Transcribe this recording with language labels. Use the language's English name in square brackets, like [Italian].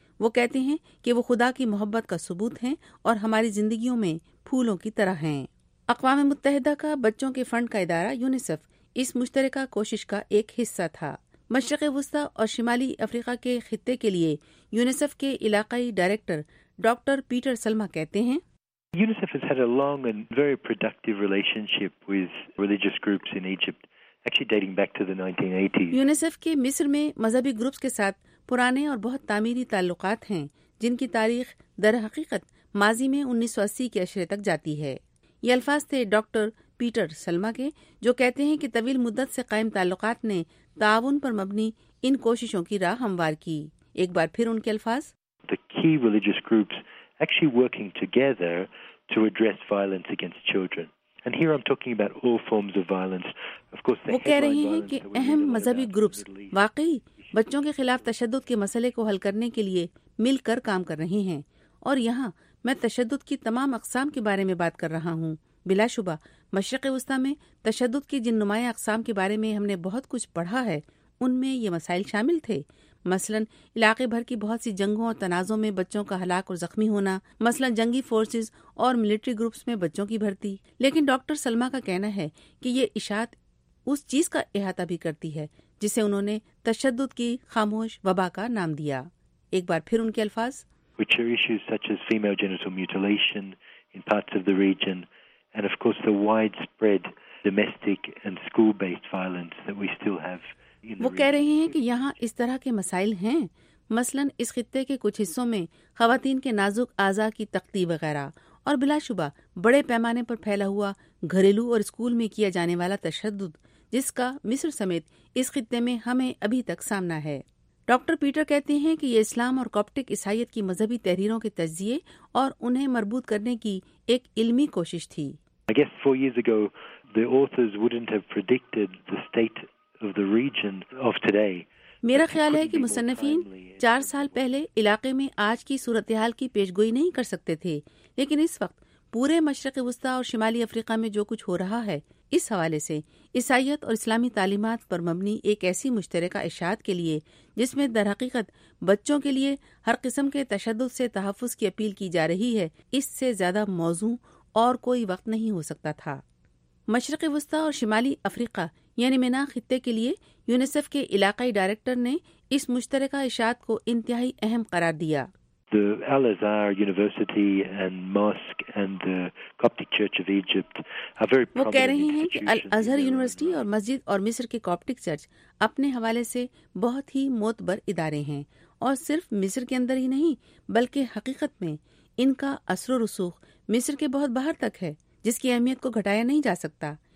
[Urdu] وہ کہتے ہیں کہ وہ خدا کی محبت کا ثبوت ہیں اور ہماری زندگیوں میں پھولوں کی طرح ہیں. اقوام متحدہ کا بچوں کے فنڈ کا ادارہ یونیسیف اس مشترکہ کوشش کا ایک حصہ تھا. مشرق وسطی اور شمالی افریقہ کے خطے کے لیے یونیسیف کے علاقائی ڈائریکٹر ڈاکٹر پیٹر سلما کہتے ہیں [English] UNICEF has had a long and very productive relationship with religious groups in Egypt, actually dating back to the 1980s. [Urdu] UNICEF کے مصر میں مذہبی گروپس کے ساتھ پرانے اور بہت تعمیری تعلقات ہیں جن کی تاریخ در حقیقت ماضی میں 1980 کے اشرے تک جاتی ہے. یہ الفاظ تھے ڈاکٹر پیٹر سلما کے جو کہتے ہیں کہ طویل مدت سے قائم تعلقات نے تعاون پر مبنی ان کوششوں کی راہ ہموار کی. ایک بار پھر ان کے الفاظ [English] The key religious groups actually working together to address violence against children. And here I'm talking about all forms of violence. Of course, [Urdu] وہ کہہ رہے ہیں کہ اہم مذہبی گروپس واقعی بچوں کے خلاف تشدد کے مسئلے کو حل کرنے کے لیے مل کر کام کر رہے ہیں. اور یہاں میں تشدد کی تمام اقسام کے بارے میں بات کر رہا ہوں. بلا شبہ مشرق وسطی میں تشدد کی جن نمایاں اقسام کے بارے میں ہم نے بہت کچھ پڑھا ہے ان میں یہ مسائل شامل تھے. مثلاً علاقے بھر کی بہت سی جنگوں اور تنازعوں میں بچوں کا ہلاک اور زخمی ہونا، مثلاً جنگی فورسز اور ملٹری گروپس میں بچوں کی بھرتی. لیکن ڈاکٹر سلما کا کہنا ہے کہ یہ اشاعت اس چیز کا احاطہ بھی کرتی ہے جسے انہوں نے تشدد کی خاموش وبا کا نام دیا. ایک بار پھر ان کے الفاظ [English] Which are issues such as female genital mutilation in parts of the region and of course the widespread domestic and school-based violence that we still have. [Urdu] وہ کہہ رہے ہیں کہ یہاں اس طرح کے مسائل ہیں، مثلاً اس خطے کے کچھ حصوں میں خواتین کے نازک اعضاء کی تقتی وغیرہ، اور بلا شبہ بڑے پیمانے پر پھیلا ہوا گھریلو اور اسکول میں کیا جانے والا تشدد جس کا مصر سمیت اس خطے میں ہمیں ابھی تک سامنا ہے. ڈاکٹر پیٹر کہتے ہیں کہ یہ اسلام اور کوپٹک عیسائیت کی مذہبی تحریروں کے تجزیے اور انہیں مربوط کرنے کی ایک علمی کوشش تھی. [English] I guess 4 years ago the authors wouldn't have predicted the state of the region of today. [Urdu] میرا خیال ہے کہ مصنفین 4 سال پہلے علاقے میں آج کی صورتحال کی پیش گوئی نہیں کر سکتے تھے، لیکن اس وقت پورے مشرق وسطی اور شمالی افریقہ میں جو کچھ ہو رہا ہے اس حوالے سے عیسائیت اور اسلامی تعلیمات پر مبنی ایک ایسی مشترکہ اشاعت کے لیے جس میں درحقیقت بچوں کے لیے ہر قسم کے تشدد سے تحفظ کی اپیل کی جا رہی ہے، اس سے زیادہ موزوں اور کوئی وقت نہیں ہو سکتا تھا. مشرق وسطی اور شمالی افریقہ یعنی مینا خطے کے لیے یونیسیف کے علاقائی ڈائریکٹر نے اس مشترکہ اشاعت کو انتہائی اہم قرار دیا. [English] The Al-Azhar University and Mosque and the Coptic Church of Egypt are very prominent. [Urdu] وہ کہہ رہے ہیں کہ الازہر یونیورسٹی اور مسجد اور مصر کے کوپٹک چرچ اپنے حوالے سے بہت ہی معتبر ادارے ہیں، اور صرف مصر کے اندر ہی نہیں بلکہ حقیقت میں ان کا اثر و رسوخ مصر کے بہت باہر تک ہے، جس کی اہمیت کو گھٹایا نہیں جا سکتا.